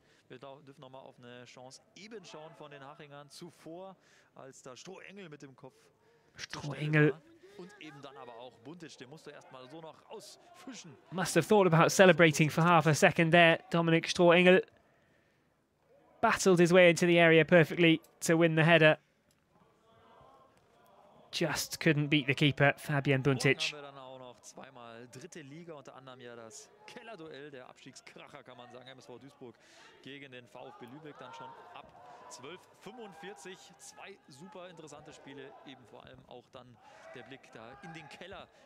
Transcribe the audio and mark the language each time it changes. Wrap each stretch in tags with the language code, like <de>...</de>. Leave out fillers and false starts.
<de>Wir dürfen nochmal auf eine Chance eben schauen von den Hachingern zuvor, als da Strohengel mit dem Kopf. Strohengel. Und eben dann aber auch Buntic, den musst du erstmal so noch rausfischen.</de> <en>Must have thought about celebrating for half a second there. Dominik Strohengel battled his way into the area perfectly to win the header. Just couldn't beat the keeper, Fabian Buntic.</en> <de>Und haben wir dann auch noch zweimal dritte Liga, unter anderem ja das Kellerduell, der Abstiegskracher, kann man sagen, MSV Duisburg gegen den VfB Lübeck, dann schon ab 12:45. Zwei super interessante Spiele, eben vor allem auch dann der Blick da in den Keller.</de>